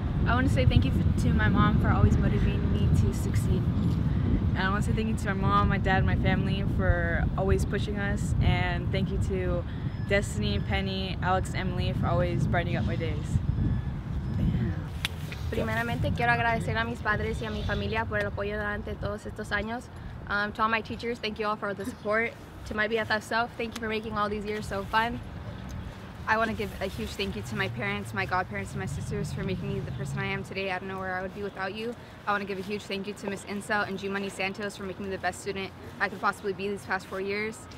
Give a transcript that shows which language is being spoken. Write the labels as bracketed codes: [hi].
[en] I want to say thank you to my mom for always motivating me to succeed. And I want to say thank you to my mom, my dad, and my family for always pushing us. And thank you to Destiny, Penny, Alex, Emily for always brightening up my days. [es] Primeramente quiero agradecer a mis padres y a mi familia por el apoyo durante todos estos años. [en] To all my teachers, thank you all for the support. To my BFF self, thank you for making all these years so fun. I want to give a huge thank you to my parents, my godparents, and my sisters for making me the person I am today. I don't know where I would be without you. I want to give a huge thank you to Ms. Insel and G Money Santos for making me the best student I could possibly be these past 4 years.